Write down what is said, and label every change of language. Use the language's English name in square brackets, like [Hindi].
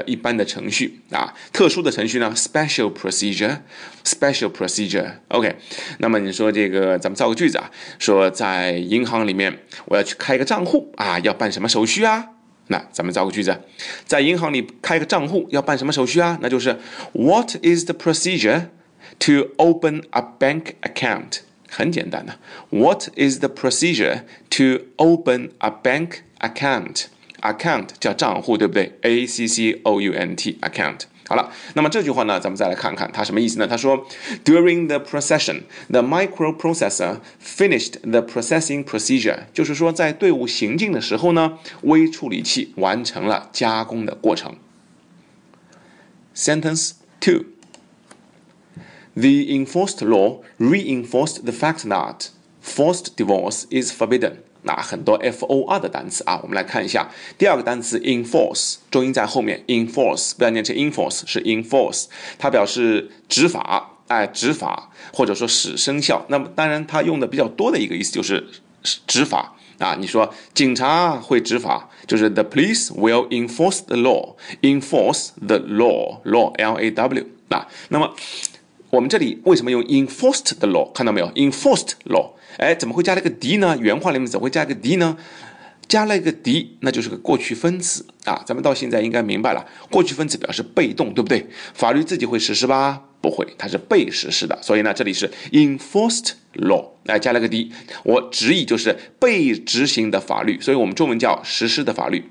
[Chinese] 叫一般的程序啊，特殊的程序呢 ，special procedure。 OK， 那么你说这个，咱们造个句子啊，说在银行里面，我要去开个账户啊，要办什么手续啊？那咱们造个句子，在银行里开个账户要办什么手续啊？ [English] 那就是 What is the procedure？ To open a bank account， [Chinese] 很简单的。 [English] What is the procedure to open a bank account？ [Chinese] Account 叫账户，对不对？account account。好了，那么这句话呢，咱们再来看看它什么意思呢？他说 ， [English] During the procession， the microprocessor finished the processing procedure， [Chinese] 就是说在队伍行进的时候呢，微处理器完成了加工的过程。 [English] Sentence two。 The enforced law reinforced the fact that forced divorce is forbidden. [Chinese] 那很多 FOR 的单词啊，我们来看一下。第二个单词 enforce， 重音在后面 ，enforce 不要念成 enforce， 是 enforce， 它表示执法，哎，执法或者说使生效。那么当然，它用的比较多的一个意思就是执法。啊，你说警察会执法，就是 [English] the police will enforce the law， enforce the law， law L A W。 [Chinese] 那么我们这里为什么用 enforced the law？看到没有 ？enforced law， 哎，怎么会加了个 d 呢？原话里面怎么会加一个 d 呢？加了一个 d， 那就是个过去分词啊。咱们到现在应该明白了，过去分词表示被动，对不对？法律自己会实施吧？不会，它是被实施的。所以呢，这里是 enforced law， 哎，加了个 d， 我直译就是被执行的法律。所以我们中文叫实施的法律。